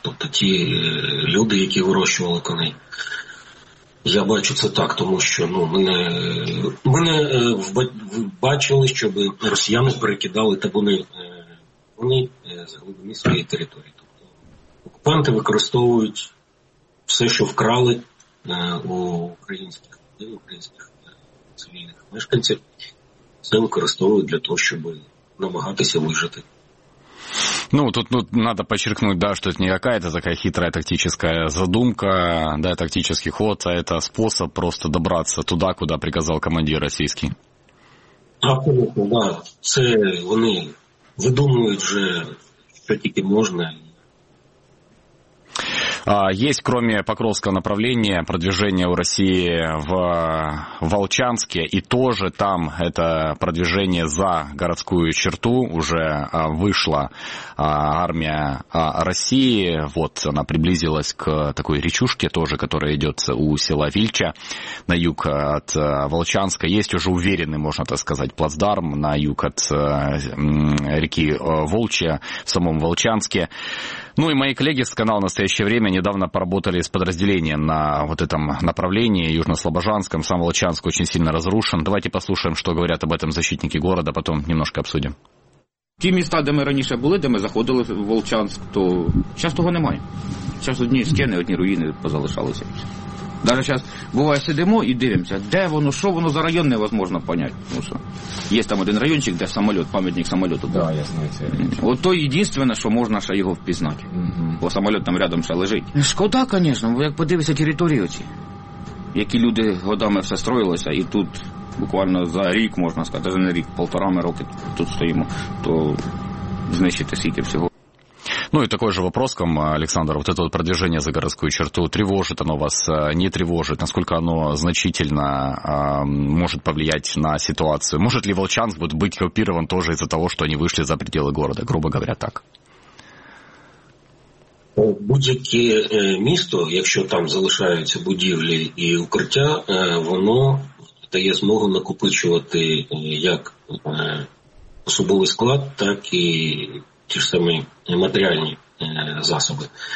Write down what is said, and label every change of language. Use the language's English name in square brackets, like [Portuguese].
[Ukrainian] Тобто ті люди, які вирощували коней. Я бачу це так, тому що ми не бачили, щоб росіяни перекидали табуни коней з глибини своєї території. Тобто окупанти використовують все, що вкрали у українських українських цивільних мешканців, це використовують для того, щоб намагатися вижити. [Russian] Ну, тут надо подчеркнуть, да, что это не какая-то такая хитрая тактическая задумка, да, тактический ход, а это способ просто добраться туда, куда приказал командир российский. Абсолютно, да. [Ukrainian] Це вони видумують же, що тільки можна. [Russian] Есть, кроме Покровского направления, продвижение у России в Волчанске, и тоже там это продвижение за городскую черту, уже вышла армия России, вот она приблизилась к такой речушке тоже, которая идет у села Вильча на юг от Волчанска. Есть уже уверенный, можно так сказать, плацдарм на юг от реки Волчья в самом Волчанске. Ну и мои коллеги с канала «Настоящее время» недавно поработали с подразделением на вот этом направлении, Южно-Слобожанском. Сам Волчанск очень сильно разрушен. Давайте послушаем, что говорят об этом защитники города, потом немножко обсудим. [Ukrainian] Ті міста, де ми раніше були, де ми заходили в Волчанськ, то зараз того немає. Зараз одні стіни, одні руїни позалишалися. Навіть зараз буває сидимо і дивимося, де воно, що воно за район, [Russian] невозможно [Ukrainian] поняти. Тому що є там один райончик, де самоліт, пам'ятник самоліту був. Так, да, я знаю це. От то єдине, що можна ще його впізнати. Угу. Бо самоліт там рядом ще лежить. Шкода, звісно, бо як подивися територію ці, які люди годами все строїлися, і тут буквально за рік, можна сказати, вже не рік, півтора роки тут стоїмо, то знищити скільки всього. [Russian] Ну и такой же вопрос к вам, Александр. Вот это вот продвижение за городскую черту, тревожит оно вас, не тревожит? Насколько оно значительно может повлиять на ситуацию? Может ли Волчанск будет быть оккупирован тоже из-за того, что они вышли за пределы города, грубо говоря, так? [Ukrainian] Будь-яке місто, якщо там залишаються будівлі і укриття, воно дає змогу накопичувати як особовий склад, так і ті ж самі матеріальні засоби.